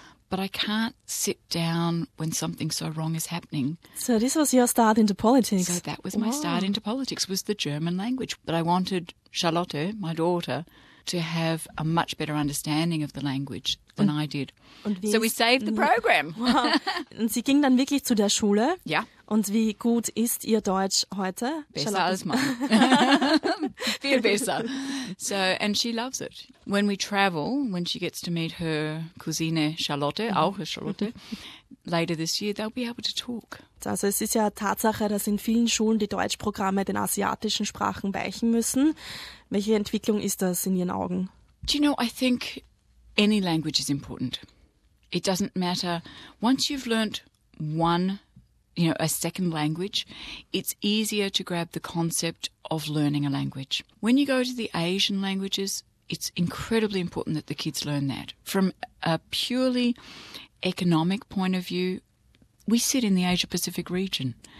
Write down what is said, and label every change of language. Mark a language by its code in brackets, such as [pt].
[en] But I can't sit down when something so wrong is happening. So this was your start into politics. So that was my start into politics, was the German language. But I wanted Charlotte, my daughter, to have a much better understanding of the language than I did. So we saved the program. Wow. [de] Und sie ging dann wirklich zu der Schule. Ja. Und wie gut ist ihr Deutsch heute? Besser als mein. Viel besser. [en] So, and she loves it. When we travel, when she gets to meet her Cousine Charlotte, auch Charlotte, later this year, they'll be able to talk. [de] Also es ist ja Tatsache, dass in vielen Schulen die Deutschprogramme den asiatischen Sprachen weichen müssen. Welche Entwicklung ist das in Ihren Augen? [en] Do you know, I think any language is important. It doesn't matter. Once you've learnt one, you know, a second language, it's easier to grab the concept of learning a language. When you go to the Asian languages, it's incredibly important that the kids learn that. From a purely economic point of view, we sit in the Asia-Pacific region.